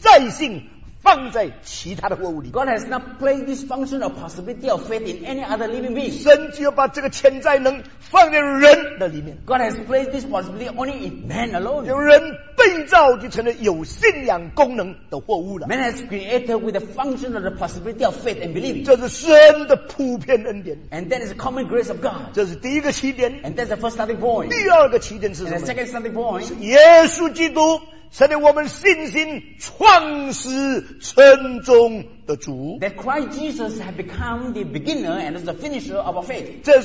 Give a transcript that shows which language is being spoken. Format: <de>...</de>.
<zh>他没有把这种功能的潜在性放在其他的活物里。</zh> <en>God has not placed this function of possibility of faith in any other living being.</en> <zh>神只有把这个潜在能放在人的里面。</zh> <en>God has placed this possibility only in man alone.</en> <zh>就人被造就成了有信仰功能的活物了。</zh> <en>Man has created with the function of the possibility of faith and believing.</en> <zh>这是神的普遍恩典。</zh> <en>And that is the common grace of God.</en> <zh>这是第一个起点。</zh> <en>And that's the first starting point.</en> <zh>第二个起点是什么?</zh> <en>And the second starting point.</en> <zh>是耶稣基督。成为我们信心创始成终的主。</zh> <en>That Christ Jesus has become the beginner and the finisher of our faith.</en>